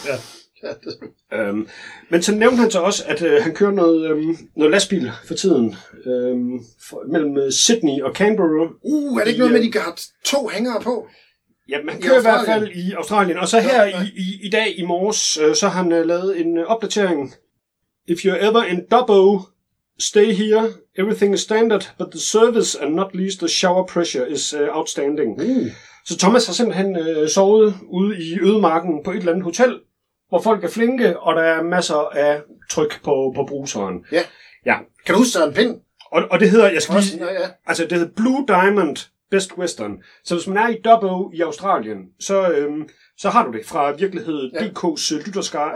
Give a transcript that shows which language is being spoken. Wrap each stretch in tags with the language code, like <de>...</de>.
<da>Ja. Men så nævnte han så også, at han kører noget, noget lastbil for tiden mellem Sydney og Canberra. Er det ikke noget med, de har to hængere på? Ja, man kører i hvert fald i Australien. Og så her i dag i morges, så har han lavet en opdatering.</da> <en>If you're ever in Dubbo, stay here. Everything is standard, but the service and not least the shower pressure is outstanding. Mm.</en> <da>Så Thomas har simpelthen sovet ude i ødemarken på et eller andet hotel, hvor folk er flinke, og der er masser af tryk på bruseren.</da> <en>Yeah.</en> <da>Ja. Kan du huske, der er en pind? Og det hedder, altså det hedder Blue Diamond Best Western. Så hvis man er i Dubbo i Australien, så... så har du det fra virkelighed.dk's lytterskare.</da>